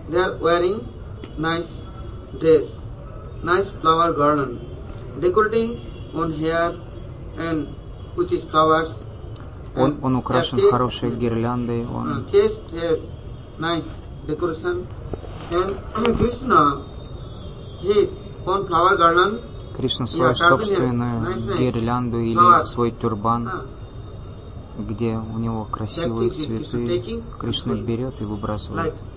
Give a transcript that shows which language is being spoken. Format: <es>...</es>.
<en>they are wearing nice dress, nice flower garland, decorating on hair and with his flowers.</en> <ru>Он украшен хорошей гирляндой.</ru> <en>Chest has nice decoration. And Krishna, his own flower garland.</en> <ru>Кришна свою собственную гирлянду или свой тюрбан. Где у него красивые цветы, Кришна берет и выбрасывает.</ru>